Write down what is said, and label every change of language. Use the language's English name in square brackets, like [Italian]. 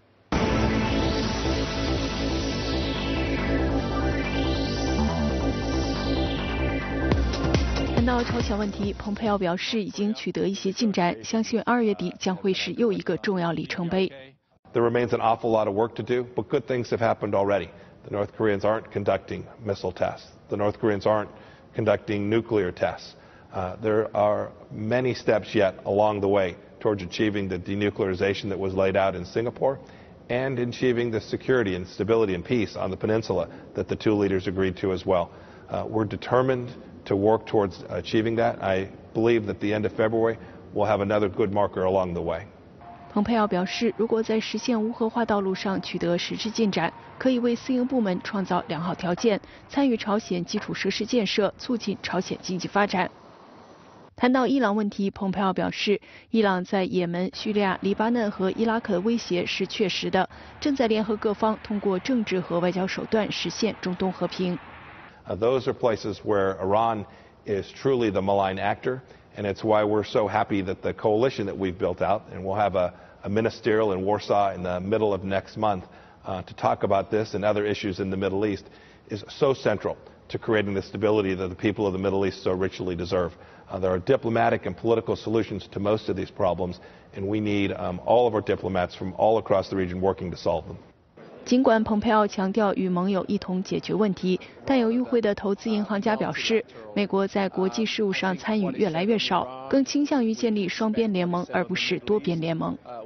[Chinese] 谈到朝鲜问题，蓬佩奥表示已经取得一些进展，相信二月底将会是又一个重要里程碑。 [English] There remains an awful lot of work to do, but good things have happened already. The North Koreans aren't conducting missile tests. The North Koreans aren't conducting nuclear tests. There are many steps yet along the way towards achieving the denuclearization that was laid out in Singapore and achieving the security and stability and peace on the peninsula that the two leaders agreed to as well. We're determined to work towards achieving that. I believe that the end of February will have another good marker along the way. [Chinese] 蓬佩奥表示，如果在实现无核化道路上取得实质进展，可以为私营部门创造良好条件，参与朝鲜基础设施建设，促进朝鲜经济发展。谈到伊朗问题，蓬佩奥表示，伊朗在也门、叙利亚、黎巴嫩和伊拉克的威胁是确实的，正在联合各方通过政治和外交手段实现中东和平。 [English] Those are places where Iran is truly the malign actor. And it's why we're so happy that the coalition that we've built out, and we'll have a ministerial in Warsaw in the middle of next month, to talk about this and other issues in the Middle East, is so central to creating the stability that the people of the Middle East so richly deserve. There are diplomatic and political solutions to most of these problems, and we need all of our diplomats from all across the region working to solve them. [Chinese] 尽管蓬佩奥强调与盟友一同解决问题，但有与会的投资银行家表示，美国在国际事务上参与越来越少，更倾向于建立双边联盟而不是多边联盟。